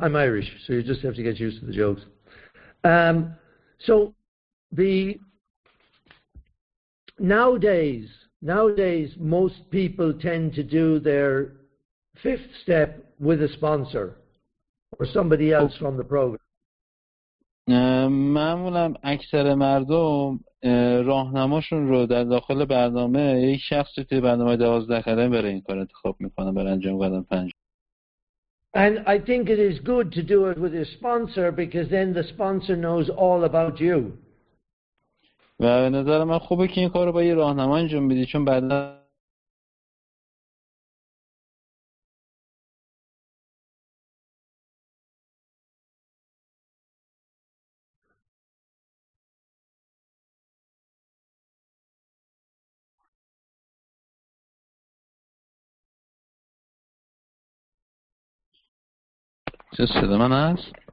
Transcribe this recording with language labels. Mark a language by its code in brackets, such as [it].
[en] I'm Irish, so you just have to get used to the jokes. So nowadays, Nowadays, most people tend to do their fifth step with a sponsor or somebody else from the program. [fa] معمولاً اکثر مردم راهنماشون رو در داخل برنامه یک شخصی توی برنامه 12 قدم برای این کار انتخاب میکنه برای انجام قدم 5. [en] And I think it is good to do it with your sponsor because then the sponsor knows all about you. [fa] و به نظر من خوبه که این کار رو با یه راهنما انجام بدی چون بعدا چه صدا من هست؟